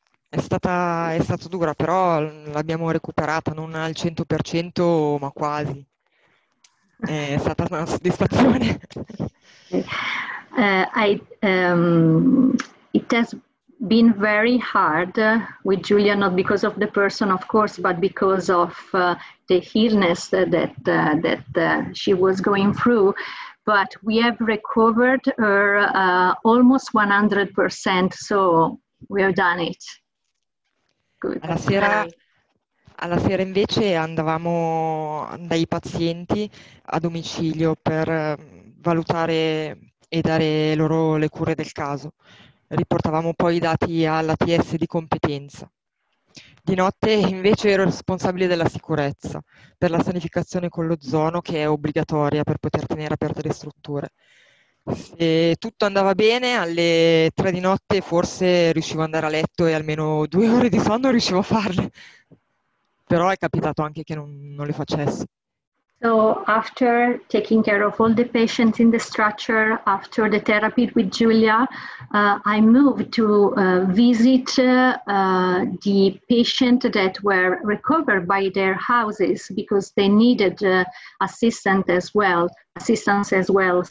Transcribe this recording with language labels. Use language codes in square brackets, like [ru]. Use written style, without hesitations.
[it] È stata dura, però l'abbiamo recuperata, non al 100%, ma quasi. È stata una soddisfazione. [en] It has been very hard with Julia, not because of the person, of course, but because of the illness that she was going through. But we have recovered her almost 100%, so we have done it. Good, great. [it] Alla sera invece andavamo dai pazienti a domicilio per valutare e dare loro le cure del caso. Riportavamo poi i dati all'ATS di competenza. Di notte invece ero responsabile della sicurezza per la sanificazione con l'ozono che è obbligatoria per poter tenere aperte le strutture. Se tutto andava bene, alle 3 di notte forse riuscivo ad andare a letto e almeno 2 ore di sonno riuscivo a farle. Però è capitato anche che non le facessi. [en] So after taking care of all the patients in the structure, after the therapy with Julia, I moved to visit the patients that were recovered by their houses because they needed assistance as well.